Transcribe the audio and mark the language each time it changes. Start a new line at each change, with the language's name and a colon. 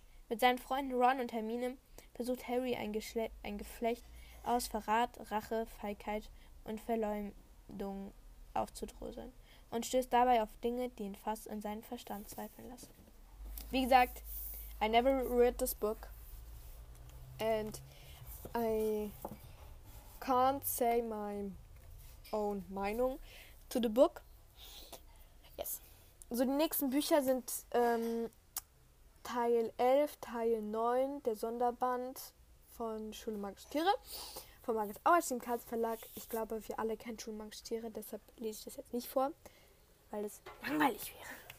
German: Mit seinen Freunden Ron und Hermine versucht Harry ein Geflecht aus Verrat, Rache, Feigheit und Verleumdung aufzudröseln und stößt dabei auf Dinge, die ihn fast in seinen Verstand zweifeln lassen. Wie gesagt,
English: I never read this book. And I can't say my own
German: Meinung
English: to the book. Yes.
German: So, die nächsten Bücher sind Teil 11, Teil 9, der Sonderband von Schule Magische Tiere. Von Margit Auerstein im Karls Verlag. Ich glaube, wir alle kennen Schule Magische Tiere, deshalb lese ich das jetzt nicht vor, weil es langweilig wäre.